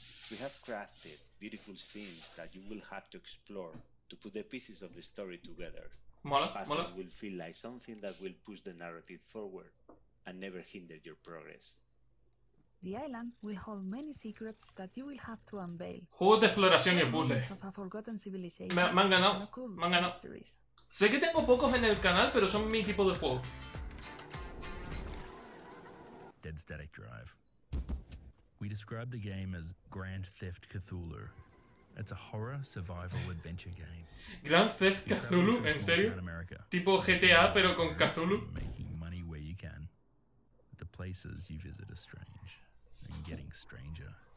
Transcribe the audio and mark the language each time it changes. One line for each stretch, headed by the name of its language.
English: We have crafted beautiful scenes that you will have to explore to put the pieces of the story together.
Spanish: Mola.
English: Will feel like something that will push the narrative forward and never hinder your progress. The island will hold many secrets that you will have to unveil.
Spanish: Juegos de exploración y puzzles. Me han ganado. Sé que tengo pocos en el canal, pero son mi tipo de juego.
English: Dead Static Drive. We describe the game as Grand Theft Cthulhu. It's a horror survival adventure game.
Spanish: Grand Theft Cthulhu, ¿en serio? Tipo GTA pero con Cthulhu.
English: Making money where you can. The places you visit are strange and getting stranger.